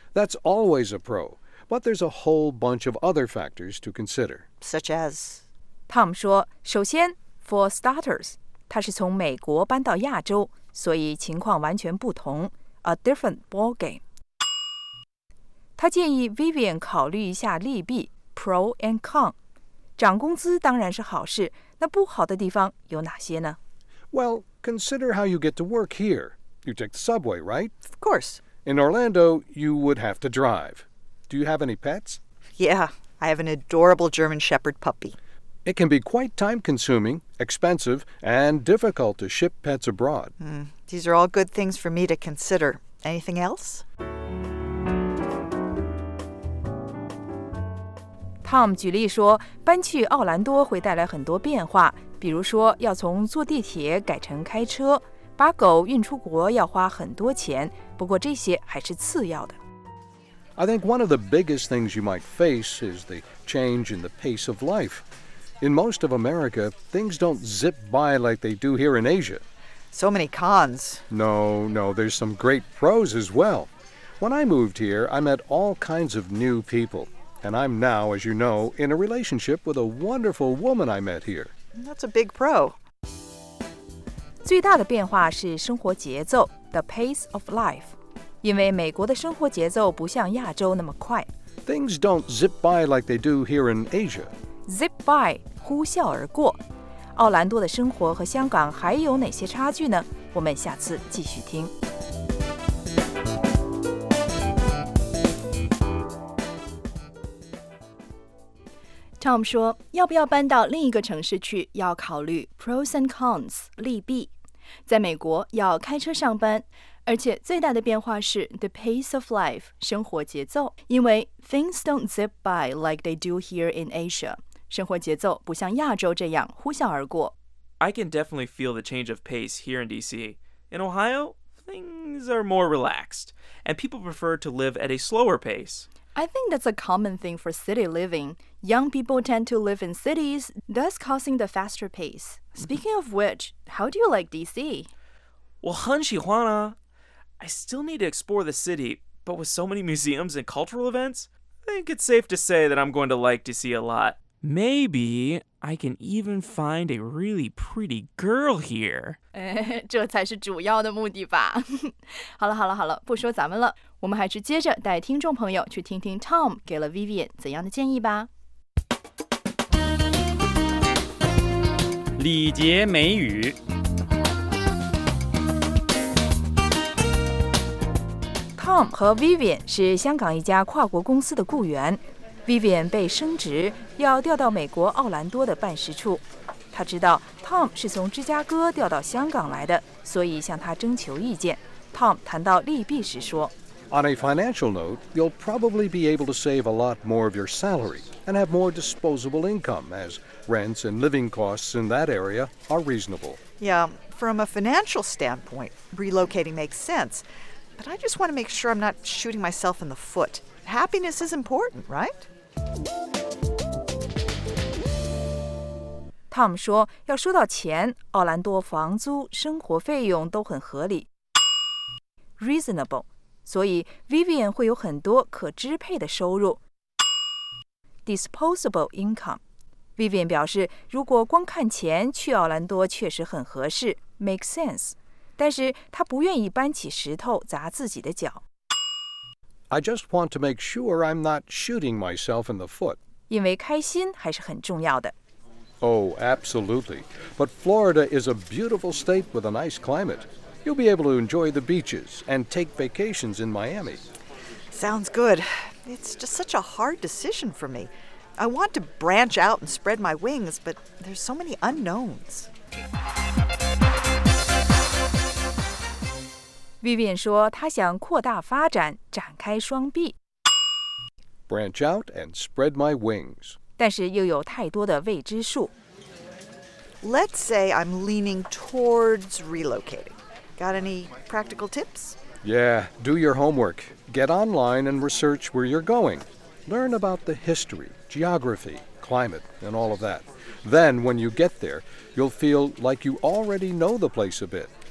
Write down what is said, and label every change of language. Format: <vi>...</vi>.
<en>That's always a pro. But there's a whole bunch of other factors to consider. Such as...</en> <zh>Tom 说首先</zh> <en>for starters,</en> <zh>他是从美国搬到亚洲所以情况完全不同</zh> <en>a different ballgame.</en> <zh>他建议 Vivian 考虑一下利弊</zh> <en>pro and con.</en> <zh>涨工资当然是好事那不好的地方有哪些呢</zh> <en>Well, consider how you get to work here. You take the subway, right? Of course. In Orlando, you would have to drive. Do you have any pets? Yeah, I have an adorable German Shepherd puppy. It can be quite time-consuming, expensive, and difficult to ship pets abroad. These are all good things for me to consider. Anything else?</en> <zh>Tom 举例说，搬去奥兰多会带来很多变化，比如说要从坐地铁改成开车，把狗运出国要花很多钱，不过这些还是次要的。</zh> <en>I think one of the biggest things you might face is the change in the pace of life. In most of America, things don't zip by like they do here in Asia. So many cons. No, there's some great pros as well. When I moved here, I met all kinds of new people. And I'm now, as you know, in a relationship with a wonderful woman I met here. That's a big pro.</en> <zh>最大的变化是生活节奏,</zh> <en>the pace of life.</en> <zh>因为美国的生活节奏不像亚洲那么快。</zh> <en>Things don't zip by like they do here in Asia. Zip by,</en> <zh>呼啸而过。奥兰多的生活和香港还有哪些差距呢？我们下次继续听。 Tom 说，要不要搬到另一个城市去，要考虑</zh> <en>pros and cons,</en> <zh>利弊。在美国要开车上班，而且最大的变化是</zh> <en>the pace of life,</en> <zh>生活节奏。因为</zh> <en>things don't zip by like they do here in Asia.</en> <zh>生活节奏不像亚洲这样呼啸而过。</zh> <en>I can definitely feel the change of pace here in DC. In Ohio, things are more relaxed, and people prefer to live at a slower pace. I think that's a common thing for city living. Young people tend to live in cities, thus causing the faster pace. Speaking of which, how do you like DC?</en> <zh>我很喜欢啊。</zh> <en>I still need to explore the city, but with so many museums and cultural events, I think it's safe to say that I'm going to like DC a lot. Maybe I can even find a really pretty girl here.</en> <zh>这才是主要的目的吧。好了，不说咱们了，我们还是接着带听众朋友去听听 Tom 给了 Vivian 怎样的建议吧。礼节美语。 Tom 和 Vivian 是香港一家跨国公司的雇员。 Vivian 被升职，要调到美国奥兰多的办事处。他知道 Tom 是从芝加哥调到香港来的，所以向他征求意见。 Tom 谈到利弊时说</zh> <en>：“On a financial note, you'll probably be able to save a lot more of your salary and have more disposable income, as rents and living costs in that area are reasonable.” Yeah, from a financial standpoint, relocating makes sense. But I just want to make sure I'm not shooting myself in the foot. happiness is important, right?</en> <zh>Tom 说，要说到钱，奥兰多房租、生活费用都很合理 ，reasonable。所以 Vivian 会有很多可支配的收入 ，</zh> <en>disposable income。</en> <zh>Vivian 表示，如果光看钱，去奥兰多确实很合适 ，</zh> <en>make sense。</en> <zh>但是他不愿意搬起石头砸自己的脚。</zh> <en>I just want to make sure I'm not shooting myself in the foot.</en> <zh>因为开心还是很重要的。</zh> <en>Oh, absolutely. But Florida is a beautiful state with a nice climate. You'll be able to enjoy the beaches and take vacations in Miami. Sounds good. It's just such a hard decision for me. I want to branch out and spread my wings, but there's so many unknowns.</en> <zh>Vivian 说她想扩大发展，展开双臂。</zh> <en>Branch out and spread my wings.</en> <zh>但是又有太多的未知数。</zh> <en>Let's say I'm leaning towards relocating. Got any practical tips? Yeah, do your homework. Get online and research where you're going. Learn about the history, geography, climate, and all of that. Then, when you get there, you'll feel like you already know the place a bit.</en>